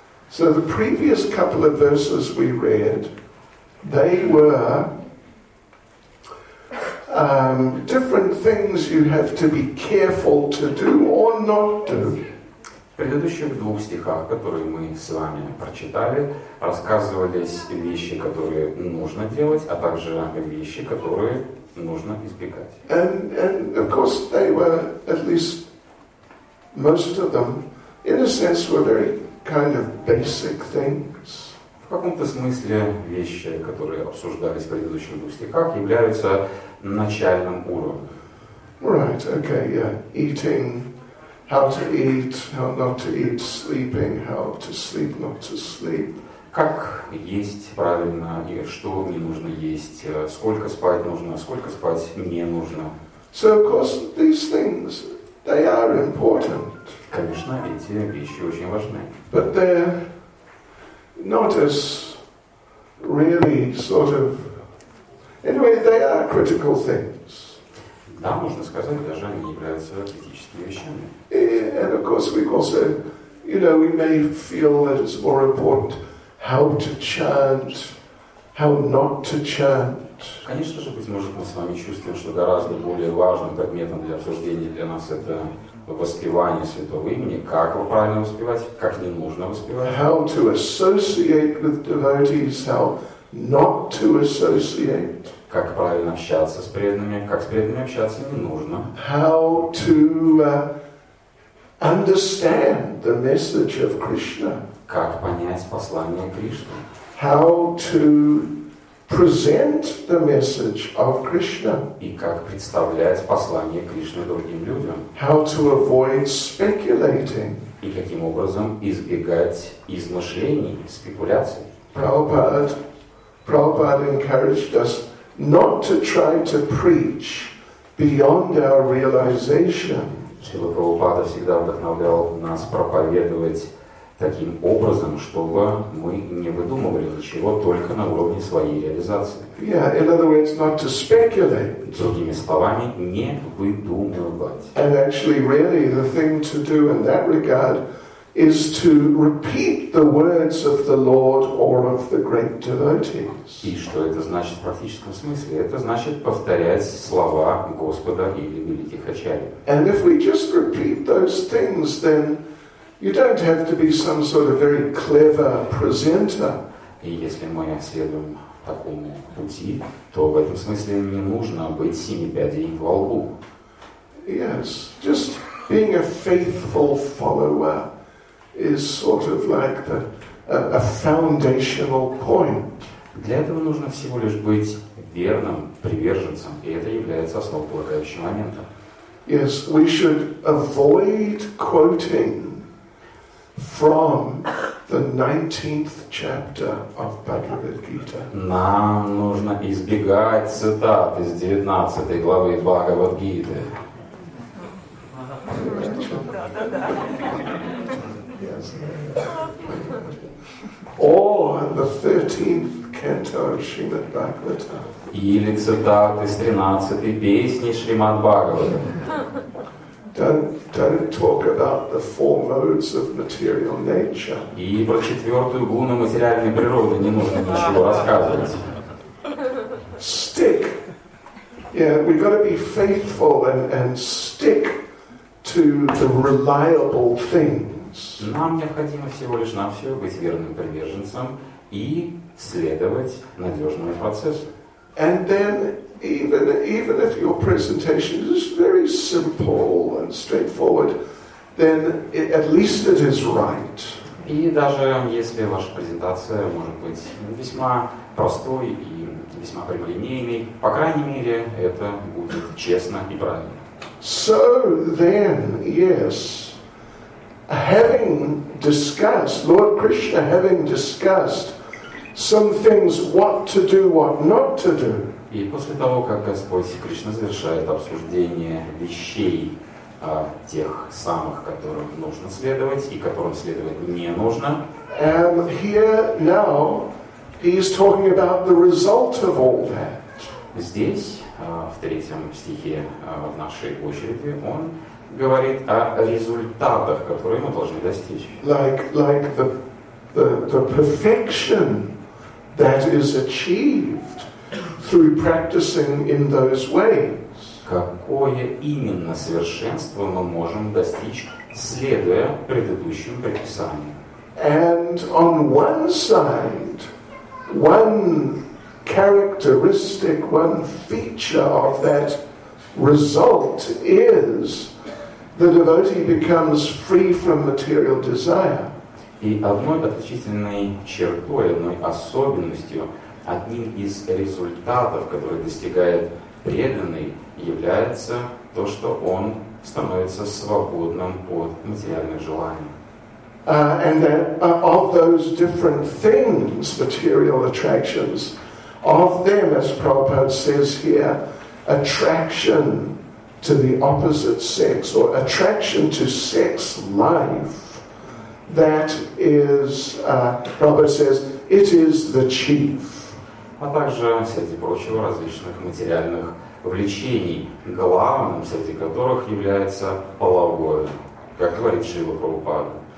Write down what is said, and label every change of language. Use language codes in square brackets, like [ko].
[en] So the previous couple of verses we read, they were different things you have to be careful to do or not do. [ru] В предыдущих двух стихах, которые мы с вами прочитали, рассказывались вещи, которые нужно делать, а также вещи, которые нужно избегать. [en] And of course they were at least most of them in a sense were very kind of basic things. [ru] В каком-то смысле вещи, которые обсуждались в предыдущих двух стихах, являются начальным уровнем. [en] Right, okay, yeah. Eating, how to eat, how not to eat, sleeping, how to sleep, not to sleep. [ru] Как есть правильно, и что не нужно есть, сколько спать нужно, сколько спать не нужно. [en] So, of course, these things, they are important. [ru] Конечно, эти вещи очень важны. [en] But they're not as really sort of... Anyway, they are critical things. [ru] Да, можно сказать, даже они являются критическими вещами. [en] And, of course, we also, you know, we may feel that it's more important how to chant, how not to chant. [ru] Конечно же, быть может, мы с вами чувствуем, что гораздо более важным предметом для обсуждения для нас это воспевание святого имени, как его правильно воспевать, как не нужно воспевать. [en] How to associate with devotees, how not to associate. [ru] Как правильно общаться с преданными, как с преданными общаться не нужно. [en] How to understand the message of Krishna. [ru] Как понять послание Кришны? [en] How to present the message of Krishna? [ru] И как представлять послание Кришны другим людям? [en] How to avoid speculating? [ru] И каким образом избегать измышлений, спекуляций? [en] Prabhupada encouraged us not to try to preach beyond our realization. [ru] Шрила Прабхупада всегда вдохновлял нас проповедовать таким образом, чтобы мы не выдумывали ничего только на уровне своей реализации. [en] Yeah, in other words, not to speculate. [ru] Другими словами, не выдумывать. [en] And actually, really, the thing to do in that regard is to repeat the words of the Lord or of the great devotees. [ru] И что это значит в практическом смысле? Это значит повторять слова Господа или великих ачарий. [en] And if we just repeat those things, then You don't have to be some sort of very clever presenter. [ru] И если мы следуем такому пути, то в этом смысле не нужно быть семи пядей во лбу. [en] Yes, just being a faithful follower is sort of like the a foundational point. [ru] Для этого нужно всего лишь быть верным приверженцем, и это является основополагающим моментом. [en] Yes, we should avoid quoting from the 19th chapter of Bhagavad Gita. [ru] Нам нужно избегать цитат из 19 главы Бхагавад Гиты. [en] Or the 13th canto of Srimad Bhagavatam. [ru] Или цитат из 13 песни Шримад Бхагаватам. [en] Don't talk about the four modes of material nature. [ru] И про четвертую гуну материальной природы не нужно ничего рассказывать. [en] Stick. Yeah, we've got to be faithful and stick to the reliable things. [ru] Нам необходимо всего лишь навсего быть верным приверженцем и следовать надежному процессу. [en] And then even if your presentation is very simple and straightforward, then at least it is right. [ru] И даже если ваша презентация может быть весьма простой и весьма прямолинейной, по крайней мере, это будет честно и правильно. [en] So then, yes, having discussed, Lord Krishna having discussed some things, what to do, what not to do. [ru] И после того, как Господь Кришна завершает обсуждение вещей, тех самых, которым нужно следовать и которым следовать не нужно. [en] Here now he's talking about the result of all that. [ru] Здесь, в третьем стихе, в нашей очереди, он говорит о результатах, которые мы должны достичь. [en] Like the perfection that is achieved through practicing in those ways. [ru] Какое именно совершенство мы можем достичь, следуя предыдущим предписаниям? [en] And on one side, one characteristic, one feature of that result is the devotee becomes free from material desire. [ru] И одной отличительной чертой, одной особенностью, одним из результатов, который достигает преданный, является то, что он становится свободным от материальных желаний. [en] And that of those different things, material attractions, of them, as Prabhupada says here, attraction to the opposite sex or attraction to sex life. That is, Prabhupada says, it is the chief. [ru] А также среди прочего различных материальных влечений, главным среди которых является половое, как говорит Шрила Прабхупада.